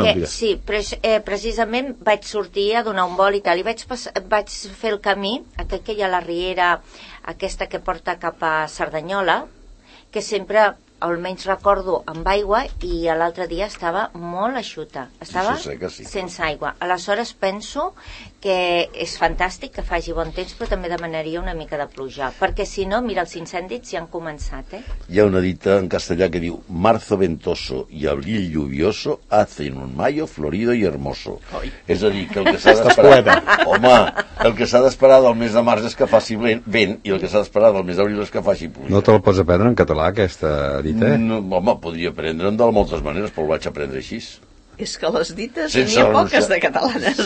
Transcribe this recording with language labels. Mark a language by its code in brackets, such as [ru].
[ca] Sí, però precisament vaig sortir a donar un vol i tal, i vaig fer el camí, aquest que hi ha la riera, aquesta que porta cap a Cerdanyola, que sempre, almenys recordo, amb aigua, i l'altre dia estava molt eixuta, estava sense aigua. Aleshores penso que és fantàstic que faci bon temps, però també demanaria una mica de pluja, perquè si no, mira, els incendis ja han començat, eh? Hi ha una dita en castellà que diu: [es] marzo ventoso y abril lluvioso hacen un mayo florido y hermoso. [ca] Oi. És a dir, que el que s'ha d'esperar... Home, el que s'ha d'esperar del mes de març és que faci vent, i el que s'ha d'esperar del mes d'abril és que faci pluja. No te la pots aprendre en català, aquesta dita? No, home, podria aprendre'n de moltes maneres, però ho vaig aprendre així. És que les dites n'hi ha poques de catalanes.